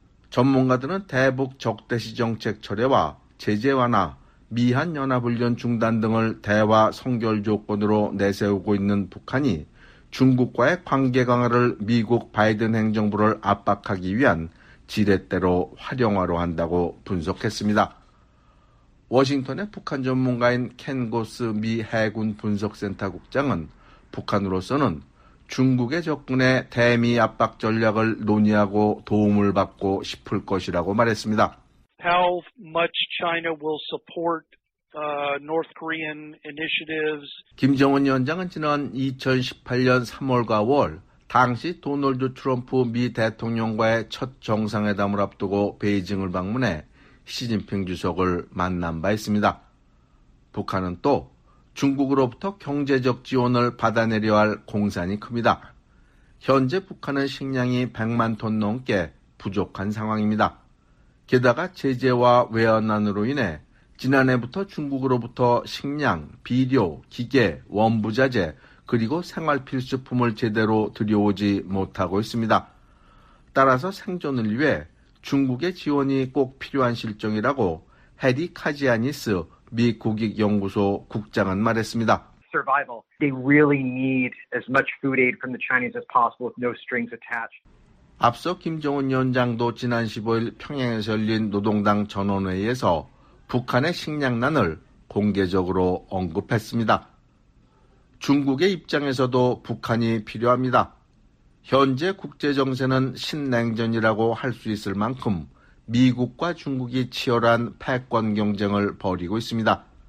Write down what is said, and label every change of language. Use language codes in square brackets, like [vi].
[ko] 전문가들은 대북 적대시 정책 철회와 제재 완화, 미한 연합훈련 중단 등을 대화 성결 조건으로 내세우고 있는 북한이 중국과의 관계 강화를 미국 바이든 행정부를 압박하기 위한 지렛대로 활용하려 한다고 분석했습니다. 워싱턴의 북한 전문가인 켄 고스 미 해군 분석센터 국장은 북한으로서는 중국의 접근에 대미 압박 전략을 논의하고 도움을 받고 싶을 것이라고 말했습니다. [en] How much China will support North Korean initiatives? [ko] 김정은 위원장은 지난 2018년 3월과 5월 당시 도널드 트럼프 미 대통령과의 첫 정상회담을 앞두고 베이징을 방문해 시진핑 주석을 만난 바 있습니다. 북한은 또 중국으로부터 경제적 지원을 받아내려 할 공산이 큽니다. 현재 북한은 식량이 100만 톤 넘게 부족한 상황입니다. 게다가 제재와 외환난으로 인해 지난해부터 중국으로부터 식량, 비료, 기계, 원부자재 그리고 생활필수품을 제대로 들여오지 못하고 있습니다. 따라서 생존을 위해 중국의 지원이 꼭 필요한 실정이라고 해리 카지아니스 미 국익연구소 국장은 말했습니다. [en] Survival. They really need as much food aid from the Chinese as possible with no strings attached. [ko] 앞서 김정은 위원장도 지난 15일 평양에서 열린 노동당 전원회의에서 북한의 식량난을 공개적으로 언급했습니다. 중국의 입장에서도 북한이 필요합니다. 현재 국제정세는 신냉전이라고 할 수 있을 만큼 미국과 중국이 치열한 패권 경쟁을 벌이고 있습니다.